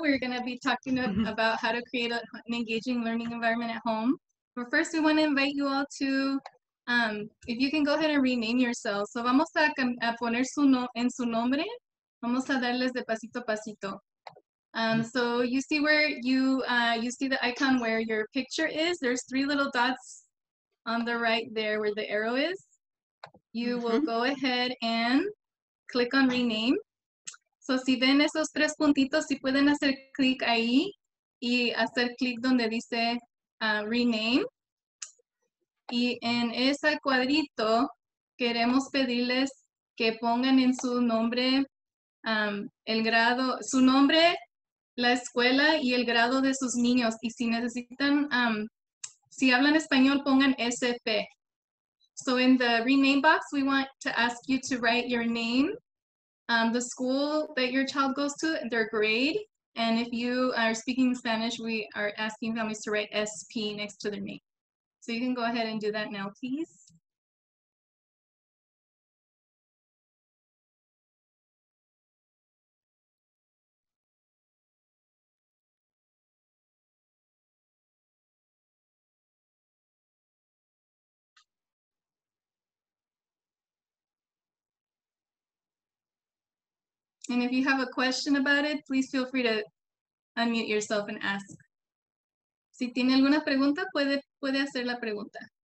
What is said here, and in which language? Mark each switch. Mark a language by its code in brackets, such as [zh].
[en] We're going to be talking about how to create an engaging learning environment at home. But first, we want to invite you all to, if you can go ahead and rename yourselves. [es] So, vamos a poner su en su nombre. Vamos a darles de pasito a pasito. [en] So you see where you you see the icon where your picture is. There's three little dots on the right there where the arrow is. You will go ahead and click on rename. [es] So si ven esos tres puntitos, si pueden hacer clic ahí y hacer clic donde dice rename. Y en ese cuadrito queremos pedirles que pongan en su nombre el grado, su nombre, la escuela y el grado de sus niños. Y si necesitan, si hablan español, pongan SP. [en] So in the rename box, we want to ask you to write your name, the school that your child goes to, their grade. And if you are speaking Spanish, we are asking families to write SP next to their name. So you can go ahead and do that now, please. And if you have a question about it, please feel free to unmute yourself and ask. [es] Si tiene alguna pregunta, puede hacer la pregunta.